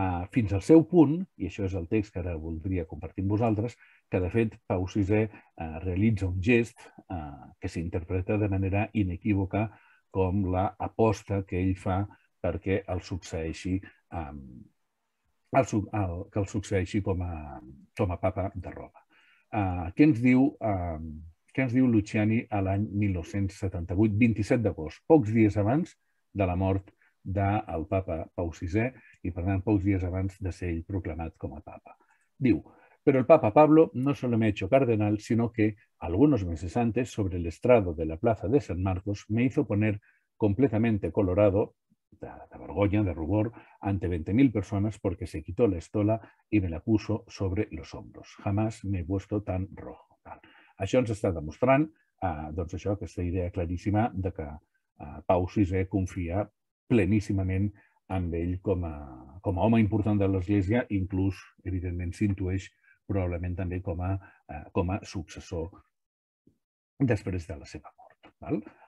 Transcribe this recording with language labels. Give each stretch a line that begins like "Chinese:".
Catalan: Fins al seu punt, i això és el text que ara voldria compartir amb vosaltres, que de fet Pau VI realitza un gest que s'interpreta de manera inequívoca com l'aposta que ell fa perquè el succeeixi que el succeeixi com a papa de Roma. Què ens diu Luciani a l'any 1978, 27 d'agost, pocs dies abans de la mort del papa Pau VI i, per tant, pocs dies abans de ser ell proclamat com a papa?
Spanish: Diu: "Pero el papa Pablo no solo me ha hecho cardenal, sino que algunos meses antes, sobre el estrado de la plaza de San Marcos, me hizo poner completamente colorado de vergonya, de rubor, ante 20.000 personas porque se quitó la estola y me la puso sobre los hombros. Jamás me he puesto tan rojo".
Catalan: Tal. Això ens està demostrant, doncs això, aquesta idea claríssima de que Pau VI confia pleníssimament en ell com a home important de l'Església, inclús, evidentment, s'intueix probablement també com a successor després de la seva mort. Tal.